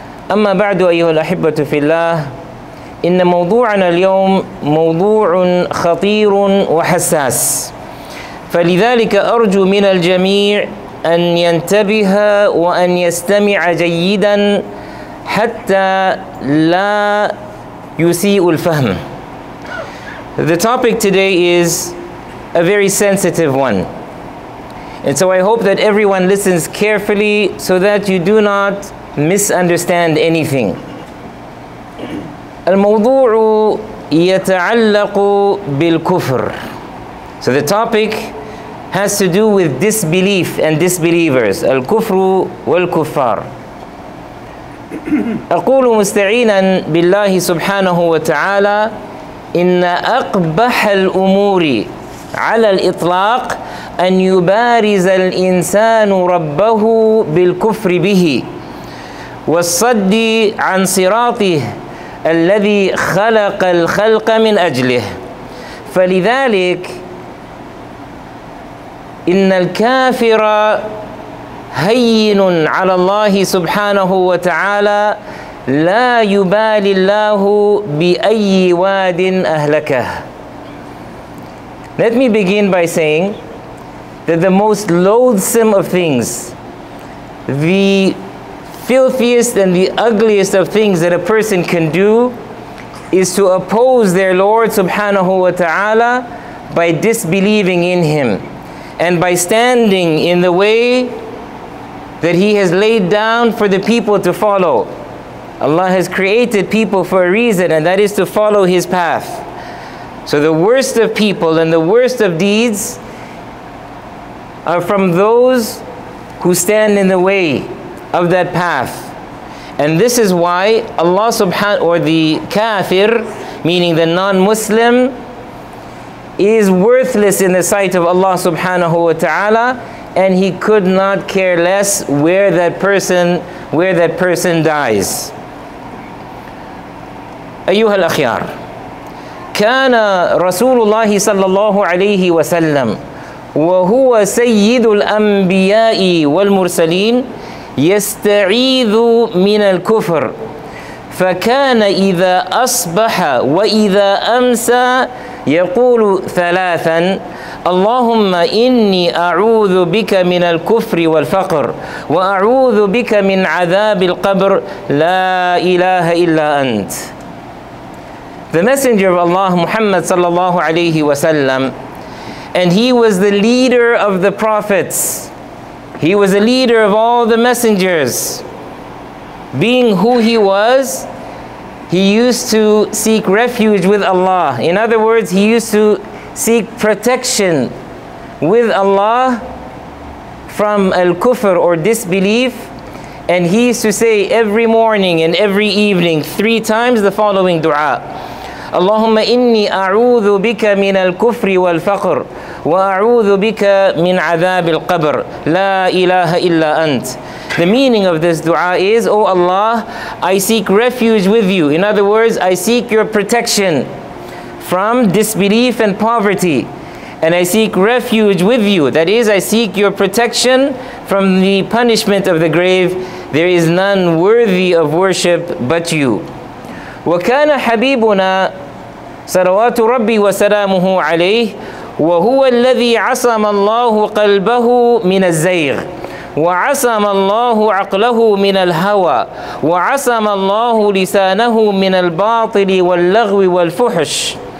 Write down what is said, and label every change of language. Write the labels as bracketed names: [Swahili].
[Arabic] أما بعد أيها الأحبة في الله، إن موضوعنا اليوم موضوع خطير وحساس، فلذلك أرجو من الجميع أن ينتبه وأن يستمع جيداً حتى لا يسيء الفهم. [English] The topic today is a very sensitive one. And so I hope that everyone listens carefully so that you do not misunderstand anything. [Arabic] الموضوع يتعلق بالكفر. [English] So the topic has to do with disbelief and disbelievers. [Arabic] الكفر والكفار. أقول مستعينا بالله سبحانه وتعالى إن أقبح الأمور على الإطلاق أن يبارز الإنسان ربه بالكفر به والصد عن صراطه الذي خلق الخلق من أجله. فلذلك إن الكافر هين على الله سبحانه وتعالى لا يبالي الله بأي واد أهلكه. [English] Let me begin by saying that the most loathsome of things, the filthiest and the ugliest of things that a person can do is to oppose their Lord subhanahu wa ta'ala by disbelieving in him and by standing in the way that he has laid down for the people to follow. Allah has created people for a reason, and that is to follow his path. So the worst of people and the worst of deeds are from those who stand in the way of that path. And this is why Allah subhanahu, or the kafir, meaning the non-Muslim, is worthless in the sight of Allah subhanahu wa ta'ala, and he could not care less where that person dies. [Arabic] أيها الأخيار، كان رسول الله صلى الله عليه وسلم وهو سيد الأنبياء والمرسلين يستعيذ من الكفر، فكان إذا أصبح وإذا أمسى يقول ثلاثا: اللهم إني أعوذ بك من الكفر والفقر، وأعوذ بك من عذاب القبر، لا إله إلا أنت. [English] The Messenger of Allah, Muhammad sallallahu alayhi wa sallam, and he was the leader of the prophets. He was the leader of all the messengers. Being who he was, he used to seek refuge with Allah. In other words, he used to seek protection with Allah from al-kufr or disbelief. And he used to say every morning and every evening, three times, the following dua: [Arabic] اللهم إني أعوذ بك من الكفر والفقر وأعوذ بك من عذاب القبر لا إله إلا أنت. [English] The meaning of this dua is, O Allah, I seek refuge with you. In other words, I seek your protection from disbelief and poverty. And I seek refuge with you. That is, I seek your protection from the punishment of the grave. There is none worthy of worship but you. [Arabic] وكان حبيبنا صلوات ربي وسلامه عليه وهو الذي عصم الله قلبه من الزيغ وعصم الله عقله من الهوى وعصم الله لسانه من الباطل واللغو والفحش